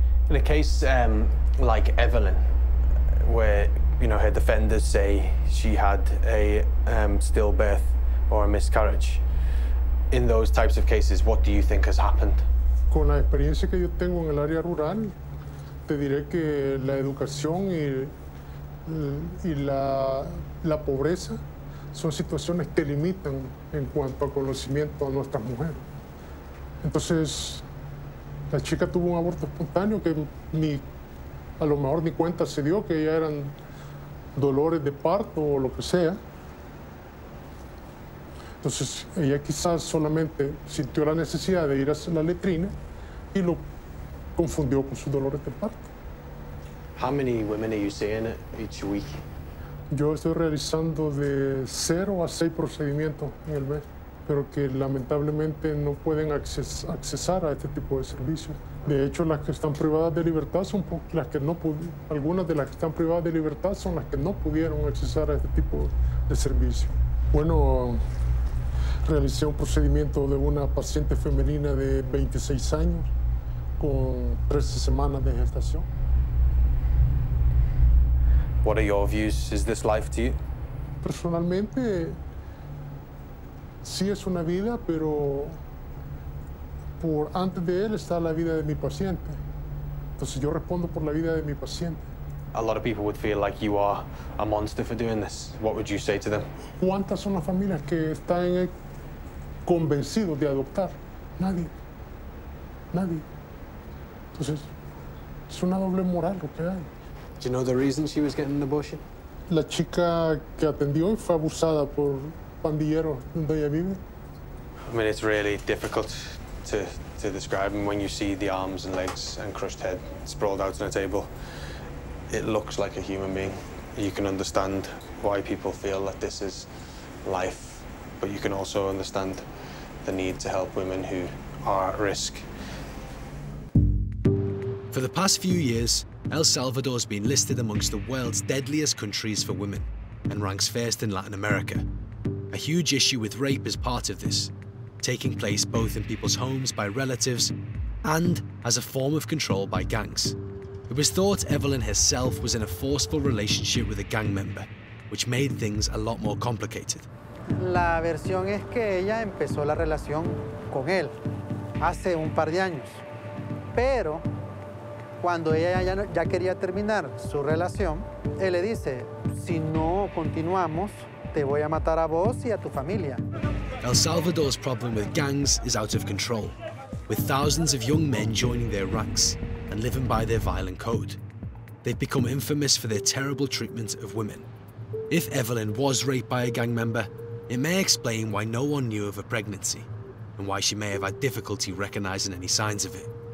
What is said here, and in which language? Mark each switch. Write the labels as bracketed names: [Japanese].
[English] In a case like Evelyn, where, you know, her defenders say she had a stillbirth or a miscarriage, in those types of cases, what do you think has happened? [Spanish] Con la experiencia que yo tengo en el área rural, te diré que la educación y la pobreza son situaciones que limitan en cuanto a conocimiento a nuestras mujeres. Entonces, la chica tuvo un aborto espontáneo que ni, a lo mejor ni cuenta se dio, que ya eran dolores de parto o lo que sea. Entonces, ella quizás solamente sintió la necesidad de ir a la letrina y lo confundió con sus dolores de parto. [English] How many women are you seeing each week? [Spanish] Yo estoy realizando de 0 a 6 procedimientos en el mes, pero que lamentablemente no pueden accesar a este tipo de servicios. De hecho, las que están privadas de libertad son las que no pudieron. Algunas de las que están privadas de libertad son las que no pudieron accesar a este tipo de servicio. Bueno, realicé un procedimiento de una paciente femenina de 26 años con 13 semanas de gestación. [English] What are your views? Is this life to you? [Spanish] Personalmente, sí es una vida, pero por antes de él está la vida de mi paciente. Entonces yo respondo por la vida de mi paciente. [English] A lot of people would feel like you are a monster for doing this. What would you say to them? [Spanish] ¿Cuántas son las familias que están convencidos de adoptar? Nadie. Nadie. Entonces, es una doble moral lo que hay. [English] Do you know the reason she was getting an abortion? [Spanish] La chica que atendió fue abusada por pandilleros donde ella vive. [English] I mean, it's really difficult to describe. And when you see the arms and legs and crushed head sprawled out on a table, it looks like a human being. You can understand why people feel that this is life, but you can also understand the need to help women who are at risk. For the past few years, El Salvador has been listed amongst the world's deadliest countries for women and ranks first in Latin America. A huge issue with rape is part of this, taking place both in people's homes by relatives and as a form of control by gangs. It was thought Evelyn herself was in a forceful relationship with a gang member, which made things a lot more complicated. [Spanish] La versión es que ella empezó la relación con él hace un par de años, pero cuando ella ya quería terminar su relación, él le dice, si no continuamos, te voy a matar a vos y a tu familia. [English] El Salvador's problem with gangs is out of control, with thousands of young men joining their ranks and living by their violent code. They've become infamous for their terrible treatment of women. If Evelyn was raped by a gang member, it may explain why no one knew of her pregnancy and why she may have had difficulty recognizing any signs of it.